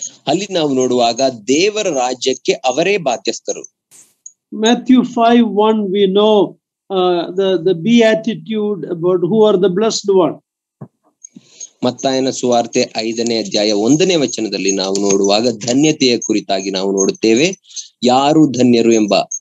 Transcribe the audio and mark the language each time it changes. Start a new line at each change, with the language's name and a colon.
Kannada: ಅಲ್ಲಿ ನಾವು ನೋಡುವಾಗ ದೇವರ ರಾಜ್ಯಕ್ಕೆ ಅವರೇ ಬಾಧ್ಯಸ್ಥರು.
English: Matthew 5:1 we know the beatitude about who are the blessed one.
Kannada: ಮತ್ತಾಯನ ಸುವಾರ್ತೆ 5:1 ನಾವು ನೋಡುವಾಗ ಧನ್ಯತೆಯ ಕುರಿತಾಗಿ ನಾವು ನೋಡುತ್ತೇವೆ, ಯಾರು ಧನ್ಯರು ಎಂಬ.